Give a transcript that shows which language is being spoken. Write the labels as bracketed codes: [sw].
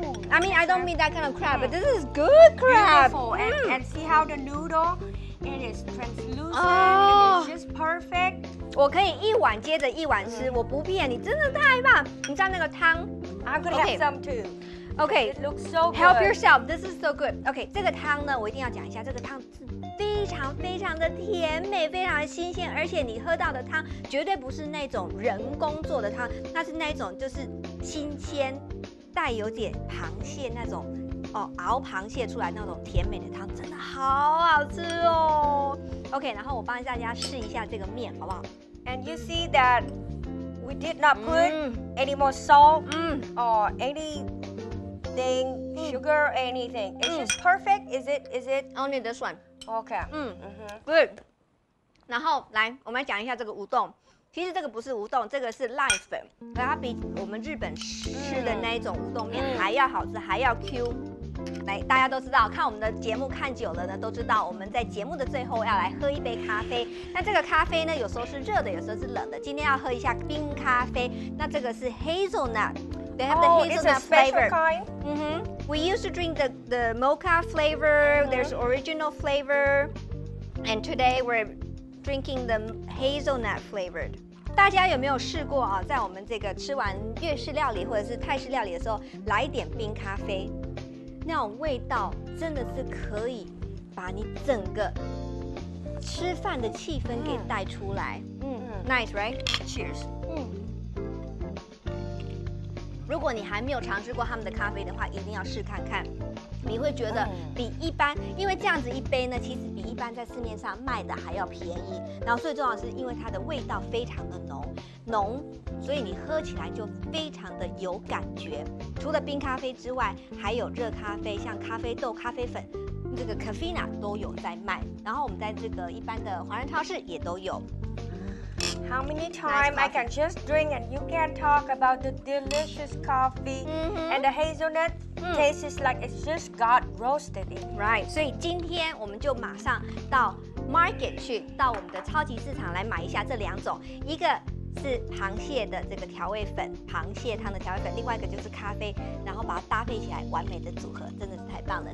[en] I mean, I don't mean that kind of crab, but this is good crab. Beautiful. And see how the noodle, it is translucent. It's just perfect. [zh] 我可以一碗接着一碗吃，我不骗你，真的太棒。你知道那个汤 [en] ？I'm gonna have some too. Okay. It looks so good. Help yourself. This is so good. Okay. [zh] 这个汤呢，我一定要讲一下。这个汤非常非常的甜美，非常的新鲜，而且你喝到的汤绝对不是那种人工做的汤，那是那种就是新鲜，带有点螃蟹那种哦，熬螃蟹出来那种甜美的汤，真的好好吃哦。 OK， 然后我帮大家试一下这个面，好不好 [en] ？And you see that we did not put any more salt or anything sugar anything. It's just perfect. Is it only this one? Okay. Good. [zh] 然后来，我们来讲一下这个乌冬。其实这个不是乌冬，这个是濑粉，可它比我们日本吃的那一种乌冬面还要好吃，还要 Q。来，大家都知道，看我们的节目看久了呢，都知道我们在节目的最后要来喝一杯咖啡。那这个咖啡呢，有时候是热的，有时候是冷的。今天要喝一下冰咖啡。那这个是 hazelnut。 [en] They have the hazelnut flavor. We used to drink the mocha flavor. There's original flavor, and today we're drinking the hazelnut flavored. [zh] 大家有没有试过啊？在我们这个吃完越式料理或者是泰式料理的时候，来一点冰咖啡，那种味道真的是可以把你整个吃饭的气氛给带出来。 [en] Nice, right? Cheers. [zh] 如果你还没有尝试过他们的咖啡的话，一定要试看看，你会觉得比一般，因为这样子一杯呢，其实比一般在市面上卖的还要便宜。然后最重要的是，因为它的味道非常的浓，所以你喝起来就非常的有感觉。除了冰咖啡之外，还有热咖啡，像咖啡豆、咖啡粉，这个 Caffeina 都有在卖。然后我们在这个一般的华人超市也都有。 [en] How many times I can just drink and you can talk about the delicious coffee and the hazelnut tastes like it's just got roasted in. Right. [zh] 所以今天我们就马上到 market 去，到我们的超级市场来买一下这两种，一个是螃蟹的这个调味粉，螃蟹汤的调味粉，另外一个就是咖啡，然后把它搭配起来，完美的组合，真的是太棒了。